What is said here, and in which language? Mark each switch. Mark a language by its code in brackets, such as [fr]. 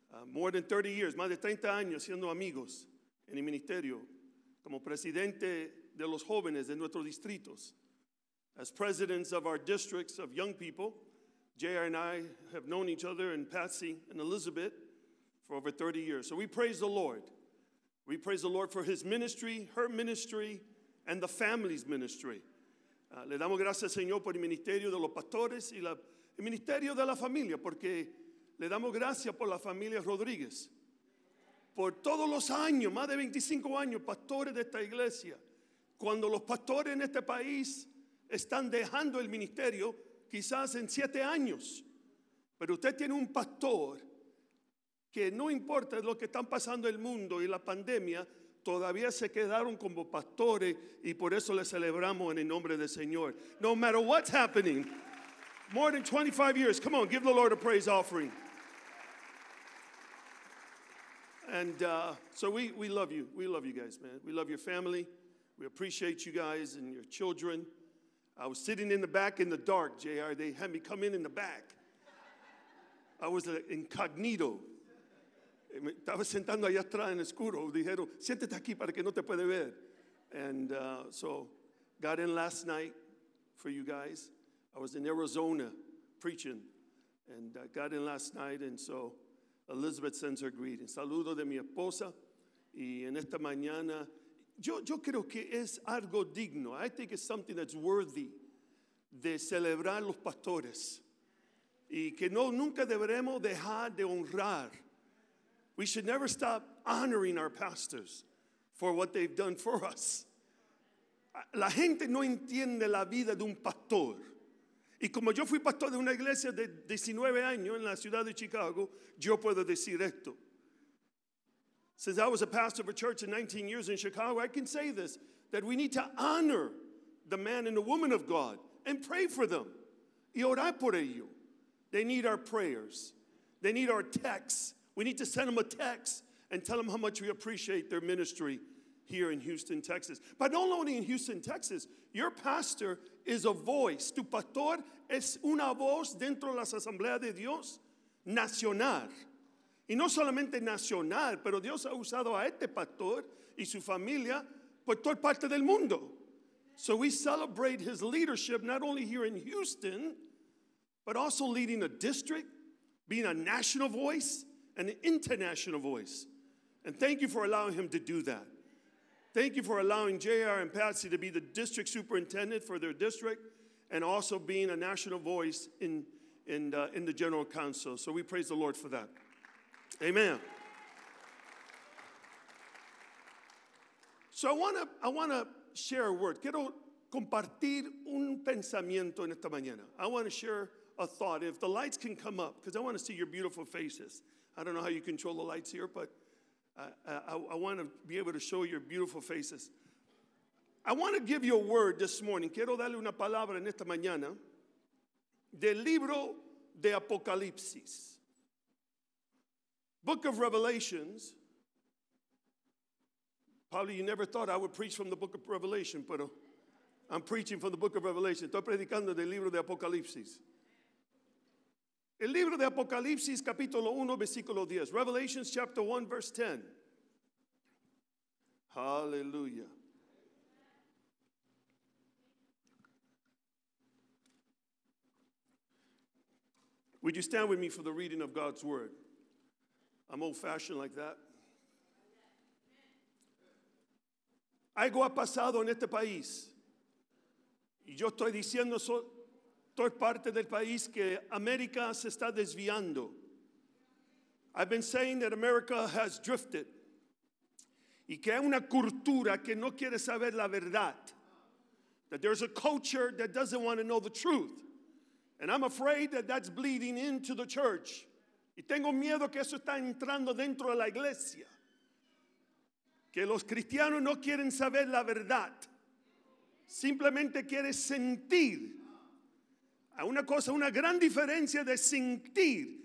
[en] More than 30 years, [es] más de 30 años siendo amigos en el ministerio, como presidente de los jóvenes de nuestros distritos. [en] As presidents of our districts of young people, JR and I have known each other and Patsy and Elizabeth for over 30 years. So we praise the Lord. We praise the Lord for his ministry, her ministry, and the family's ministry. [es] Le damos gracias, Señor, por el ministerio de los pastores y el ministerio de la familia, porque le damos gracias por la familia Rodríguez. Por todos los años, más de 25 años, pastores de esta iglesia. Cuando los pastores en este país están dejando el ministerio, quizás en 7 años. Pero usted tiene un pastor que no importa lo que están pasando en el mundo y la pandemia, todavía se quedaron como pastores y por eso le celebramos en el nombre del Señor. [en] No matter what's happening, more than 25 years. Come on, give the Lord a praise offering. And so we love you. We love you guys, man. We love your family. We appreciate you guys and your children. I was sitting in the back in the dark, JR. They had me come in the back. I was incognito. [es] Estaba sentando allá atrás en oscuro. Dijeron, siéntete aquí para que no te puede ver. [en] And so got in last night for you guys. I was in Arizona preaching and got in last night. And so Elizabeth sends her greetings. [es] Saludo de mi esposa. Y en esta mañana, yo creo que es algo digno. [en] I think it's something that's worthy [es] de celebrar los pastores. Y que no nunca deberemos dejar de honrar. [en] We should never stop honoring our pastors for what they've done for us. [es] La gente no entiende la vida de un pastor. Y como yo fui pastor de una iglesia de 19 años en la ciudad de Chicago, yo puedo decir esto. [en] Since I was a pastor of a church in 19 years in Chicago, I can say this, that we need to honor the man and the woman of God and pray for them. [es] Y orar por ellos. [en] They need our prayers. They need our texts. We need to send them a text and tell them how much we appreciate their ministry here in Houston, Texas. But not only in Houston, Texas, your pastor is a voice. [es] Tu pastor es una voz dentro de las asambleas de Dios nacional. Y no solamente nacional, pero Dios ha usado a este pastor y su familia por toda parte del mundo. [en] So we celebrate his leadership not only here in Houston, but also leading a district, being a national voice, an international voice. And thank you for allowing him to do that. Thank you for allowing JR and Patsy to be the district superintendent for their district and also being a national voice in the general council. So we praise the Lord for that. Amen. So I want to share a word. [es] Quiero compartir un pensamiento en esta mañana. [en] I want to share a thought. If the lights can come up, because I want to see your beautiful faces. I don't know how you control the lights here, but I want to be able to show your beautiful faces. I want to give you a word this morning. [es] Quiero darle una palabra en esta mañana del libro de Apocalipsis. [en] Book of Revelations. Probably you never thought I would preach from the book of Revelation, pero I'm preaching from the book of Revelation. [es] Estoy predicando del libro de Apocalipsis. El libro de Apocalipsis, capítulo 1, versículo 10. [en] Revelations chapter 1, verse 10. Hallelujah. Would you stand with me for the reading of God's word? I'm old-fashioned like that. [es] Algo ha pasado en este país. Y yo estoy diciendo, estoy parte del país que América se está desviando. [en] I've been saying that America has drifted. [es] Y que hay una cultura que no quiere saber la verdad. [en] That there's a culture that doesn't want to know the truth. And I'm afraid that that's bleeding into the church. [es] Y tengo miedo que eso está entrando dentro de la iglesia. Que los cristianos no quieren saber la verdad. Simplemente quieren sentir. Hay una cosa, una gran diferencia de sentir.